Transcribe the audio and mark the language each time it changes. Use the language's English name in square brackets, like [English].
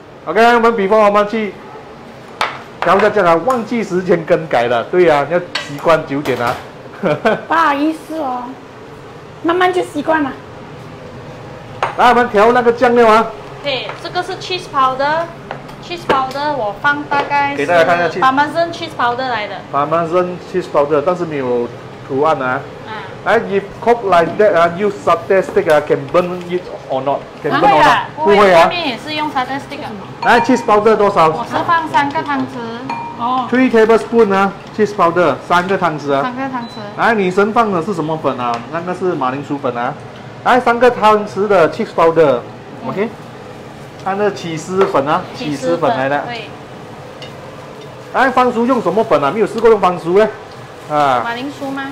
[Chinese] OK， 我们比方我们去调一下酱啊，忘记时间更改了。对啊，要习惯9点啊。不好意思哦，慢慢就习惯了。来，我们调那个酱料啊。对，这个是 cheese powder。cheese powder 我放大概是。给大家看一下。 [English] Parmesan cheese powder 来的。 Parmesan cheese powder， [Chinese] 但是没有。 图案啊， [English] 哎、，if cook like that 啊， use satay stick 啊， can burn it or not？ [Chinese] 不会啊，不会啊。上面也是用 satay stick 啊。来 ，cheese powder 多少？我是放3个汤匙。哦。 3 tablespoon 啊 ，cheese powder 3个汤匙啊。 3个汤匙。来，你身放的是什么粉啊？那个是马铃薯粉啊。来，3个汤匙的 cheese powder，OK？、Okay? 那个起司粉啊，起司粉来的。对。来，番薯用什么粉啊？没有试过用番薯嘞。啊，马铃薯吗？